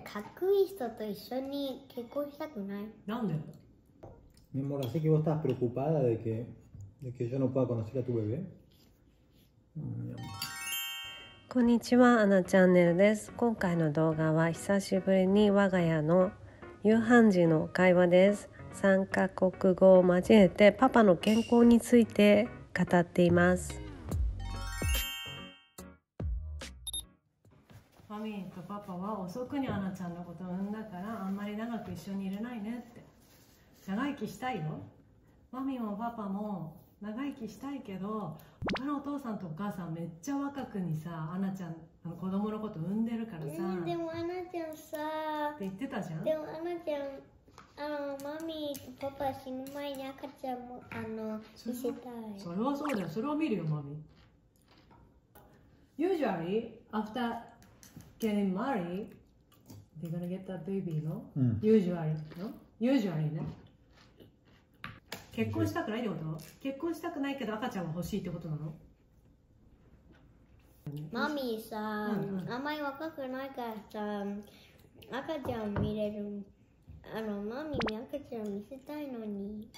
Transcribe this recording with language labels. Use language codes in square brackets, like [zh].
[ja] かかっこいい人と一緒に結婚したくない。なんで？ [es] Mi amor, así que vos estás preocupada de que yo no pueda conocer a tu bebé. [ja] こんにちは、アナチャンネルです。今回の動画は久しぶりに我が家の夕飯時の会話です。三カ国語を交えてパパの健康について語っています。ファミとパパは遅くにアナちゃんのことを産んだからあんまり長く一緒にいれないねって。長生きしたいよ。マミもパパも長生きしたいけど、他のお父さんとお母さんめっちゃ若くにさ、アナちゃん、あの子供のこと産んでるからさ。でもアナちゃんさ、って言ってたじゃん。でもアナちゃん、あのマミとパパ死ぬ前に赤ちゃんも、あの、見せたい。それはそうだよ。それを見るよ、マミ。 [en] Usually, after getting married, they're gonna get a baby, no? Usually, no? Usually ね。 [ja] 結婚したくないってこと？結婚したくないけど赤ちゃんは欲しいってことなの？マミーさ、あんまり若くないからさ、赤ちゃん見れる。あの、マミーに赤ちゃん見せたいのに。